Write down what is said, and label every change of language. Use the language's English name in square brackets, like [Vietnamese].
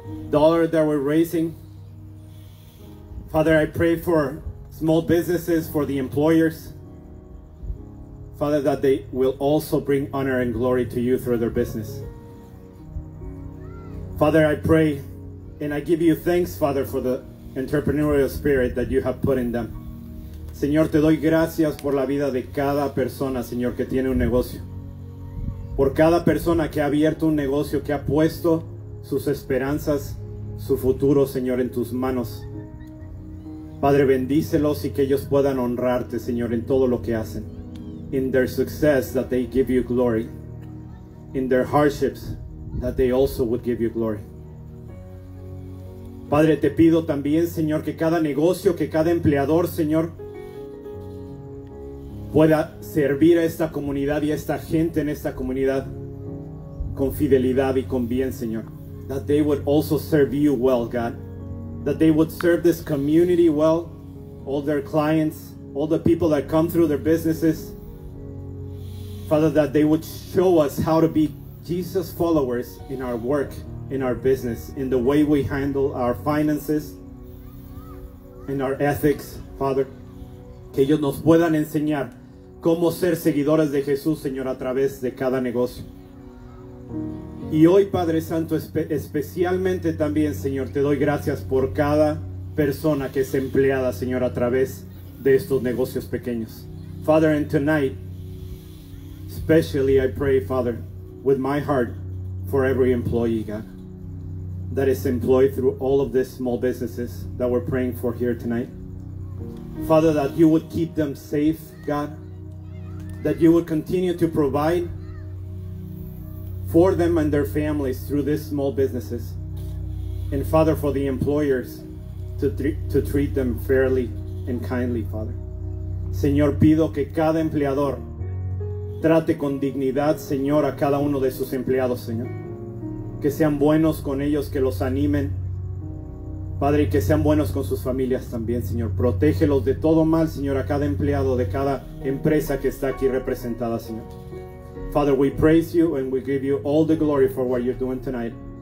[English] dollar that we're raising. Father, I pray for small businesses, for the employers. Father, that they will also bring honor and glory to you through their business. Father, I pray and I give you thanks, Father, for the entrepreneurial spirit that you have put in them. [Spanish] Señor, te doy gracias por la vida de cada persona, Señor, que tiene un negocio. Por cada persona que ha abierto un negocio, que ha puesto sus esperanzas, su futuro, Señor, en tus manos. Padre, bendícelos y que ellos puedan honrarte, Señor, en todo lo que hacen. [English] In their success, that they give you glory. In their hardships, that they also would give you glory. [Spanish] Padre, te pido también, Señor, que cada negocio, que cada empleador, Señor, pueda servir a esta comunidad y a esta gente en esta comunidad con fidelidad y con bien, Señor. [English] That they would also serve you well, God. That they would serve this community well, all their clients, all the people that come through their businesses. Father, that they would show us how to be Jesus followers in our work, in our business, in the way we handle our finances, in our ethics, Father. [Spanish] Que ellos nos puedan enseñar cómo ser seguidores de Jesús, Señor, a través de cada negocio. Y hoy, Padre Santo, especialmente también, Señor, te doy gracias por cada persona que es empleada, Señor, a través de estos negocios pequeños. [English] Father, and tonight, especially I pray, Father, with my heart for every employee, God, that is employed through all of these small businesses that we're praying for here tonight. Father, that you would keep them safe, God, that you would continue to provide for them and their families through these small businesses. And Father, for the employers to treat them fairly and kindly, Father. [Spanish] Señor, pido que cada empleador trate con dignidad, Señor, a cada uno de sus empleados, Señor. Que sean buenos con ellos, que los animen. Padre, que sean buenos con sus familias también, Señor. Protégelos de todo mal, Señor, a cada empleado de cada empresa que está aquí representada, Señor. [English] Father, we praise you and we give you all the glory for what you're doing tonight.